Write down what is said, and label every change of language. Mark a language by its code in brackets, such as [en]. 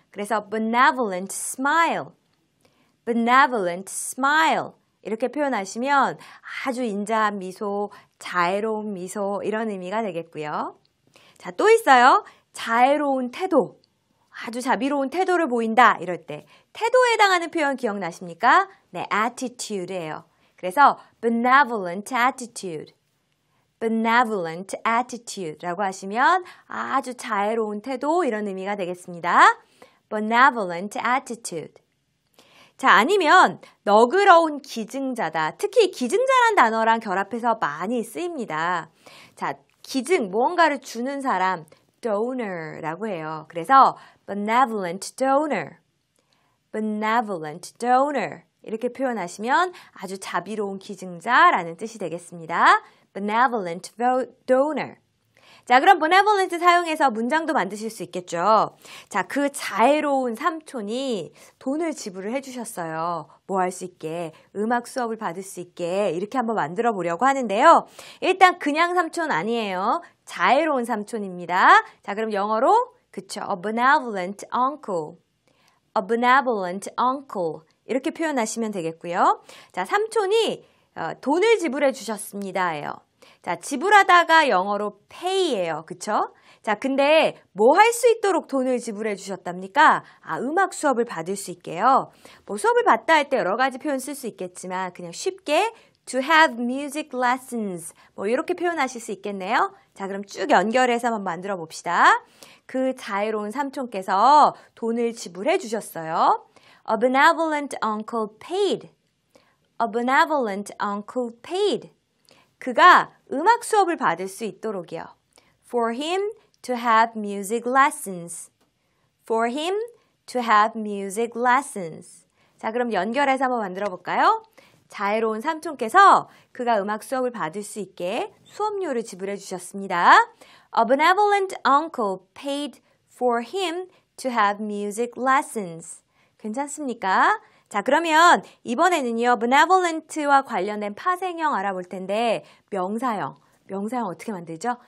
[ko] 그래서 [en] benevolent smile, benevolent smile [ko] 이렇게 표현하시면 아주 인자한 미소, 자애로운 미소 이런 의미가 되겠고요. 자, 또 있어요. 자애로운 태도, 아주 자비로운 태도를 보인다 이럴 때 태도에 해당하는 표현 기억나십니까? 네, attitude예요. 그래서 [en] benevolent attitude. [ko] benevolent attitude라고 하시면 아주 자애로운 태도 이런 의미가 되겠습니다. [en] benevolent attitude. [ko] 자, 아니면 너그러운 기증자다. 특히 기증자란 단어랑 결합해서 많이 쓰입니다. 자, 기증, 무언가를 주는 사람, donor라고 해요. 그래서 [en] benevolent donor. benevolent donor. [ko] 이렇게 표현하시면 아주 자비로운 기증자라는 뜻이 되겠습니다. [en] benevolent donor. [ko] 자, 그럼 benevolent 사용해서 문장도 만드실 수 있겠죠. 자, 그 자애로운 삼촌이 돈을 지불을 해주셨어요. 뭐 할 수 있게, 음악 수업을 받을 수 있게 이렇게 한번 만들어 보려고 하는데요. 일단 그냥 삼촌 아니에요. 자애로운 삼촌입니다. 자, 그럼 영어로 그쵸, [en] a benevolent uncle. a benevolent uncle. [ko] 이렇게 표현하시면 되겠고요. 자, 삼촌이 돈을 지불해 주셨습니다예요. 자, 지불하다가 영어로 pay예요. 그쵸? 자, 근데 뭐 할 수 있도록 돈을 지불해 주셨답니까? 아, 음악 수업을 받을 수 있게요. 뭐 수업을 받다 할 때 여러 가지 표현 쓸 수 있겠지만 그냥 쉽게 [en] to have music lessons [ko] 뭐 이렇게 표현하실 수 있겠네요. 자, 그럼 쭉 연결해서 한번 만들어 봅시다. 그 자애로운 삼촌께서 돈을 지불해 주셨어요. [en] A benevolent uncle paid. A benevolent uncle paid. [ko] 그가 음악 수업을 받을 수 있도록이요. [en] For him to have music lessons. For him to have music lessons. [ko] 자, 그럼 연결해서 한번 만들어 볼까요? 자애로운 삼촌께서 그가 음악 수업을 받을 수 있게 수업료를 지불해 주셨습니다. [en] A benevolent uncle paid for him to have music lessons. [ko] 괜찮습니까? 자, 그러면 이번에는요, benevolent와 관련된 파생형 알아볼 텐데 명사형 어떻게 만들죠?